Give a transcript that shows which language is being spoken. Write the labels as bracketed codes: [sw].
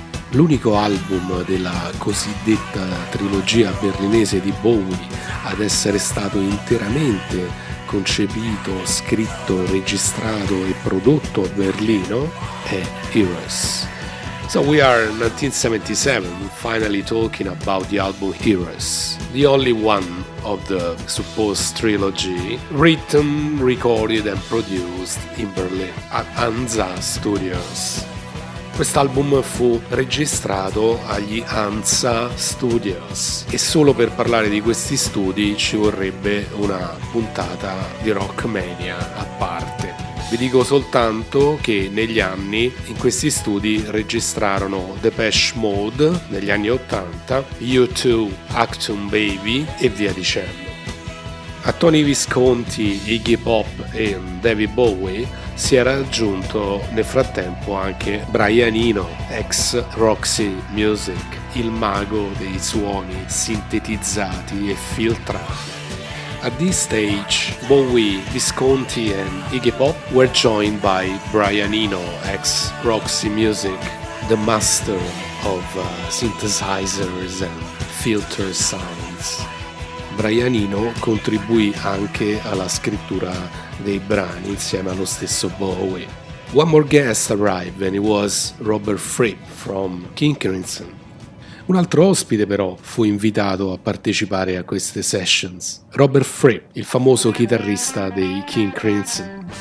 [it] L'unico album della cosiddetta trilogia berlinese di Bowie ad essere stato interamente concepito, scritto, registrato e prodotto a Berlino è Heroes. [en] So we are 1977, finally talking about the album Heroes, the only one of the supposed trilogy written, recorded and produced in Berlin at Hansa Studios. [it] Quest'album fu registrato agli Hansa Studios e solo per parlare di questi studi ci vorrebbe una puntata di Rockmania a parte. Vi dico soltanto che negli anni in questi studi registrarono Depeche Mode negli anni 80, U2, Acton Baby e via dicendo. A Tony Visconti, Iggy Pop e David Bowie si era aggiunto nel frattempo anche Brian Eno, ex Roxy Music, il mago dei suoni sintetizzati e filtrati. [en] At this stage, Bowie, Visconti and Iggy Pop were joined by Brian Eno, ex Roxy Music, the master of synthesizers and filter sounds. [it] Brian Eno contribuì anche alla scrittura dei brani insieme allo stesso Bowie. [en] One more guest arrived and it was Robert Fripp from King Crimson. [it] Un altro ospite però fu invitato a partecipare a queste sessions, Robert Fripp, il famoso chitarrista dei King Crimson.